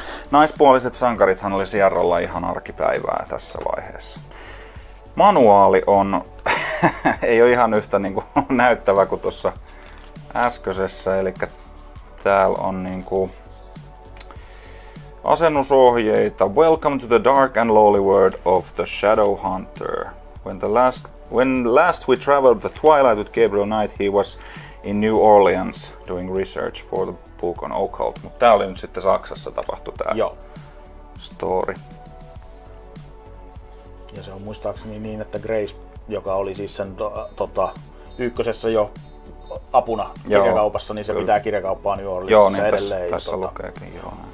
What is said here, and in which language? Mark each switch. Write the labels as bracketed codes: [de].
[fi] naispuoliset sankarithan oli Sierralla ihan arkipäivää tässä vaiheessa. Manuaali on ei ole ihan yhtä niinku näyttävä kuin tuossa äskeisessä, eli täällä on niinku asennusohjeita. [en] Welcome to the dark and lowly world of the Shadow Hunter. When last we traveled the twilight with Gabriel Knight, he was in New Orleans doing research for the book on occult. [fi] Mutta tää oli nyt sitten Saksassa tapahtui tää Joo. [en] story. [fi] Ja se on muistaakseni niin, että Grace, joka oli siis sen ykkösessä jo apuna joo, kirjakaupassa, niin se kyllä. pitää kirjakauppaa New Orleans joo, niin edelleen. Joo, tässä lukeekin joo.